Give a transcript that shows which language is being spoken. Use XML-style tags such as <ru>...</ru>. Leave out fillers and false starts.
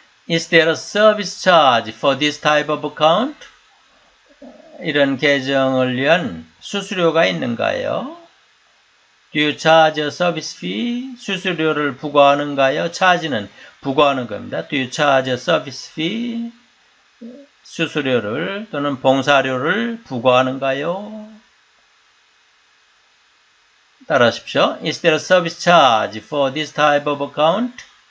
<en>Is there a service charge for this type of account?</en> <ko>이런 계정을 위한 수수료가 있는가요?</ko> <en>Do you charge a service fee?</en> <ko>수수료를 부과하는가요? Charge는 부과하는 겁니다.</ko> <en>Do you charge a service fee?</en> <ko>수수료를 또는 봉사료를 부과하는가요? 따라하십시오.</ko> <en>Is there a service charge for this type of account?</en>